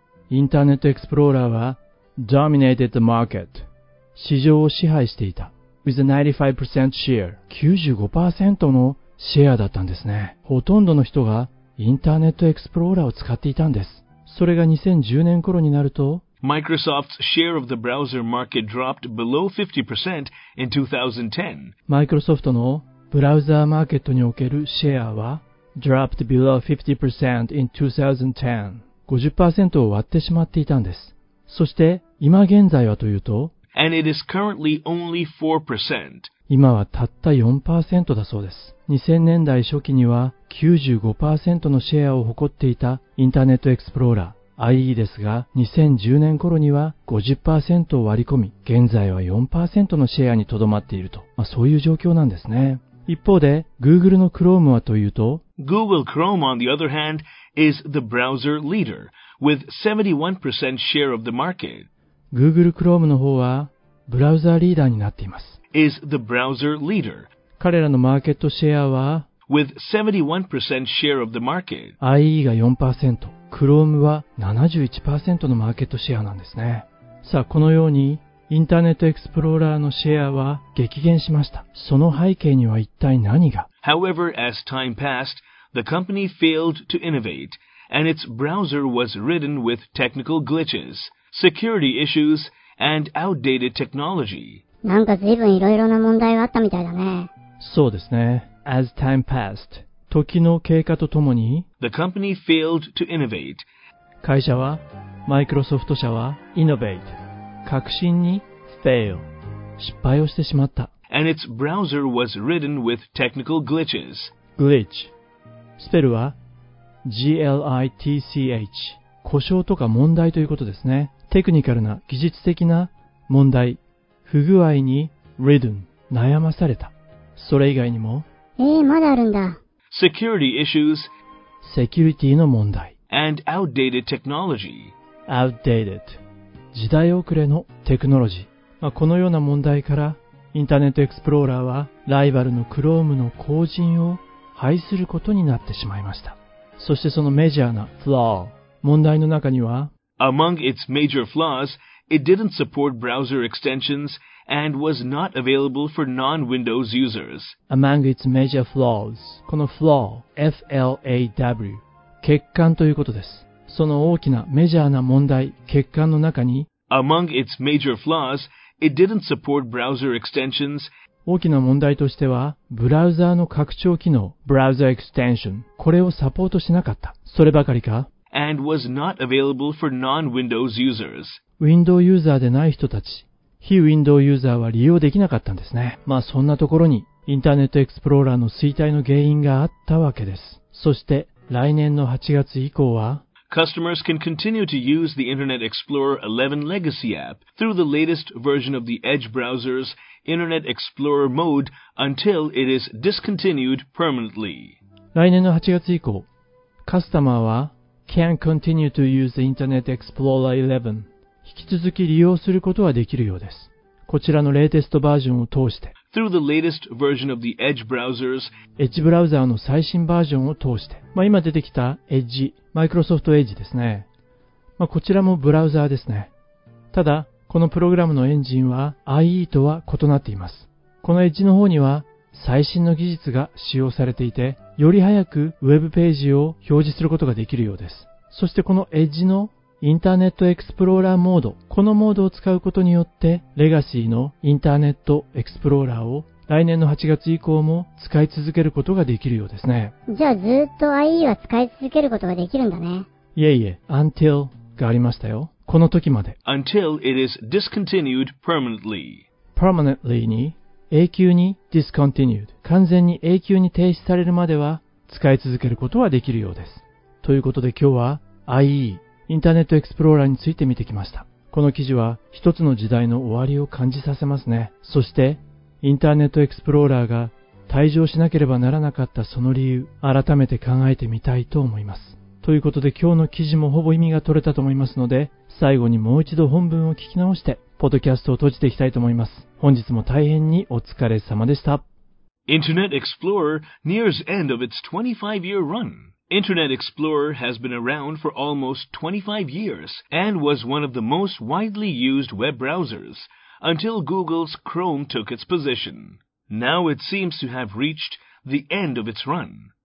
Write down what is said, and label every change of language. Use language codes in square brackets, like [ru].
[ja] インターネットエクスプローラーは [en] dominated the market、 [ja] 市場を支配していた。 [en] with a 95% share、 [ja] 95% のシェアだったんですね。ほとんどの人がインターネットエクスプローラーを使っていたんです。それが2010年頃になると、 [en] Microsoft's share of the browser market dropped below 50% in 2010. [ja] Microsoft のブラウザーマーケットにおけるシェアは、 [en] dropped below 50% in 2010. [ja] 50% を割ってしまっていたんです。そして、今現在はというと、 [en] and it is currently only 4%. [ja] 今はたった 4% だそうです。2000年代初期には 95% のシェアを誇っていたインターネットエクスプローラー IE ですが、2010年頃には 50% を割り込み、現在は 4% のシェアにとどまっていると、まあ、そういう状況なんですね。一方で、Google の Chrome はというと、 [en] Google Chrome, on the other hand, is the browser leader, with 71% share of the market. [ja] Google Chrome の方は、ブラウザーリーダーになっています。 [en] is the browser leader. [ja] 彼らのマーケットシェアは、 [en] with 71% share of the market. [ja] IE が 4%、Chrome は 71% のマーケットシェアなんですね。さあ、このように、インターネットエクスプローラーのシェアは激減しました。その背景には一体何が？ [en] However, as time passed, the company failed to innovate, and its browser was ridden with technical glitches, security issues, and outdated technology. [ja] なんか随分いろいろな問題があったみたいだね。そうですね。 [en] As time passed, [ja] 時の経過とともに、 [en] The company failed to innovate. [ja] 会社は、マイクロソフト社は、innovate。革新に fail 失敗をしてしまった。 [en] And its browser was ridden with technical glitches. [ja] Glitch スペルは G-L-I-T-C-H 故障とか問題ということですね。テクニカルな技術的な問題、不具合に ridden 悩まされた。それ以外にも、まだあるんだ。 [en] Security issues [ja] セキュリティの問題。 [en] And outdated technology [ja] outdated時代遅れのテクノロジー、まあ、このような問題からインターネットエクスプローラーはライバルの Chrome の後塵を排することになってしまいました。そしてそのメジャーな flaw 問題の中には、 [en] Among its major flaws, it didn't support browser extensions and was not available for non-Windows users. Among its major flaws, [ja] この flaw F-L-A-W 欠陥ということです。その大きなメジャーな問題、欠陥の中に、 [en] Among its major flaws, it didn't support browser extensions. [ja] 大きな問題としては、ブラウザーの拡張機能、browser extension、これをサポートしなかった。そればかりか、 [en] And was not available for non-Windows users. [ja] Windows ユーザーでない人たち、非 Windows ユーザーは利用できなかったんですね。まあそんなところに、インターネットエクスプローラーの衰退の原因があったわけです。そして、来年の8月以降は、 [en] Customers can continue to use the Internet Explorer 11 legacy app through the latest version of the Edge browser's Internet Explorer mode until it is discontinued permanently. [ja] 来年の8月以降、カスタマーは [en] can continue to use the Internet Explorer 11。 [ja] 引き続き利用することはできるようです。こちらのレイテストバージョンを通して、 [en] Through the latest version of the Edge browser's [ja] Edge ブラウザーの最新バージョンを通して、まあ今出てきた Edge、Microsoft Edge ですね。まあこちらもブラウザーですね。ただこのプログラムのエンジンは IE とは異なっています。この Edge の方には最新の技術が使用されていて、より早くウェブページを表示することができるようです。そしてこの Edge のインターネットエクスプローラーモード。このモードを使うことによって、レガシーのインターネットエクスプローラーを来年の8月以降も使い続けることができるようですね。じゃあずっと IE は使い続けることができるんだね。いえいえ、until がありましたよ。この時まで。 [en] until it is discontinued permanently。 [ja] permanently に、永久に discontinued。完全に永久に停止されるまでは使い続けることはできるようです。ということで今日は IE。インターネットエクスプローラーについて見てきました。この記事は一つの時代の終わりを感じさせますね。そして、インターネットエクスプローラーが退場しなければならなかったその理由、改めて考えてみたいと思います。ということで今日の記事もほぼ意味が取れたと思いますので、最後にもう一度本文を聞き直して、ポッドキャストを閉じていきたいと思います。本日も大変にお疲れ様でした。 [en] Internet Explorer nears end of its 25-year run. Internet Explorer has been around for almost 25 years and was one of the most widely used web browsers until Google's Chrome took its position. Now it seems to have reached the end of its run.